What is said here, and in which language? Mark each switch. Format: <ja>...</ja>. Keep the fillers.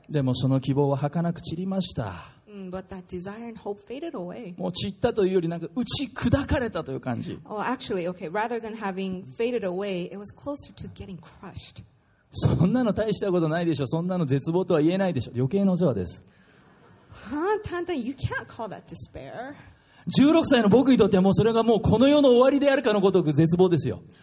<ja>でもその希望は儚く散りました。</ja> <en>But that desire and hope faded away.</en> <ja>もう散ったというよりなんか打ち砕かれたという感じ。</ja> <en>Oh, actually, okay. Rather than having faded away, it was closer to getting crushed.</en> <ja>そんなの大したことないでしょ。そんなの絶望とは言えないでしょ。余計なお世話です。</ja> <en>Huh? Tantan, you can't call that despair.</en> <ja>16歳の僕にとってはもうそれがもうこの世の終わりであるかのごとく絶望ですよ。</ja>